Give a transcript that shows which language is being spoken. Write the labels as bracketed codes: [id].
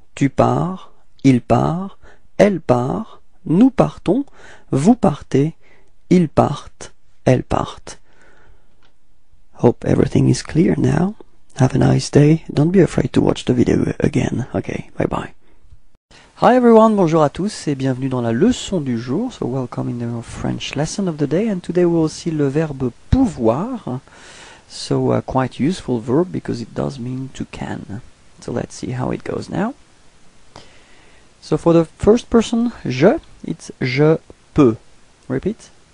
[fr] Tu pars, il part, elle part, nous partons, vous partez, ils partent, elles partent. [en] Hope everything is clear now. Have a nice day. Don't be afraid to watch the video again. Okay, bye bye. Hi everyone, [fr] bonjour à tous et bienvenue dans la leçon du jour. [en] So welcome in the French lesson of the day. And today we'll see [fr] le verbe pouvoir. [en] So a quite useful verb because it does mean to can. So let's see how it goes now. So for the first person, je, it's [fr] je peux. [en] Repeat.